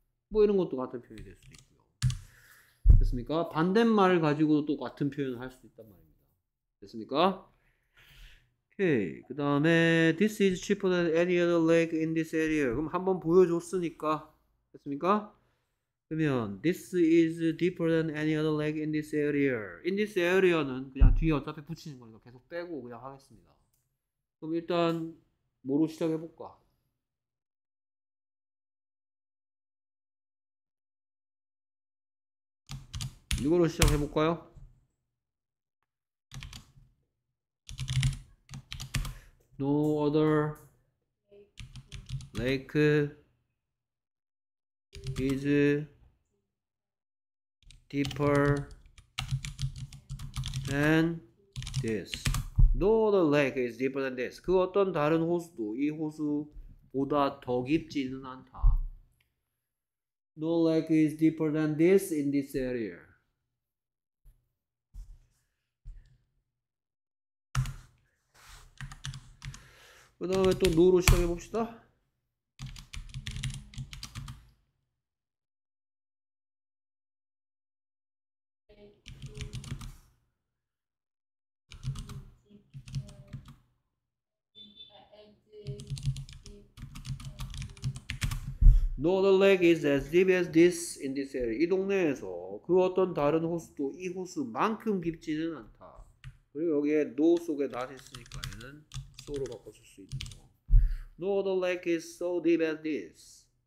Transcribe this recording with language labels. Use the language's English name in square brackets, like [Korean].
[Korean] 뭐 이런 것도 같은 표현이 될 수도 있고요. 됐습니까? 반대말 가지고도 또 같은 표현을 할 수도 있단 말입니다. 됐습니까? 오케이. 그 다음에 [English] This is cheaper than any other lake in this area. [Korean] 그럼 한번 보여줬으니까. 됐습니까? [English] 그러면 This is deeper than any other lake in this area. In this area [Korean] 는 그냥 뒤에 어차피 붙이는 거니까 계속 빼고 그냥 하겠습니다. 그럼 일단 뭐로 시작해 볼까? 이거로 시작해 볼까요? [English] 'No other lake is deeper than this.' No other lake is deeper than this. [Korean] 그 어떤 다른 호수도 이 호수보다 더 깊지는 않다. [English] No lake is deeper than this in this area. [Korean] 그 다음에 또 no로 시작해 봅시다. [English] 'No other lake is as deep as this in this area.' [Korean] 이 동네에서 그 어떤 다른 호수도 이 호수만큼 깊지는 않다. 그리고 여기에 no 속에 not 했으니까 얘는 so로 바꿔줄 수 있는 거. [English] 'No other lake is so deep as this.'